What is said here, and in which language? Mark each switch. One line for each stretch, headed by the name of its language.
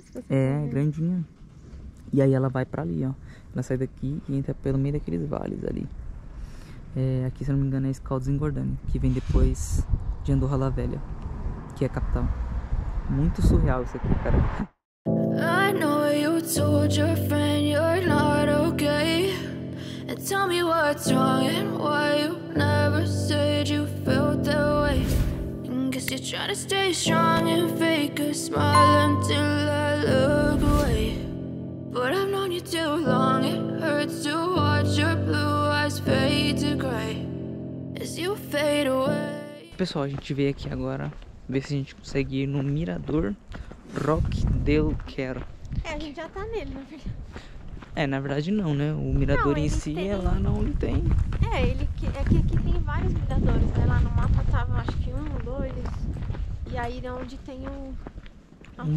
Portuguese: Se você é, grandinha. E aí ela vai pra ali, ó. Ela sai daqui e entra pelo meio daqueles vales ali. É, aqui, se eu não me engano, é Scaldes em Gordane, que vem depois de Andorra la Velha, que é a capital. Muito surreal isso aqui, cara.
English: Told your friend you're not okay, and tell me what's wrong and why you never said you felt that way. Guess you're trying to stay strong and fake a smile until I look away. But I've known you too long, it hurts to watch your blue eyes fade to gray as you fade away.
Portuguese: Pessoal, a gente veio aqui agora ver se a gente consegue ir no Mirador Rock del Quero. É, a gente já tá nele, na verdade. É, na verdade não, né? O mirador não, em si tem... é lá onde tem. É, ele é que aqui tem vários miradores, né? Lá no mapa tava, acho que um, dois. E aí é onde tem um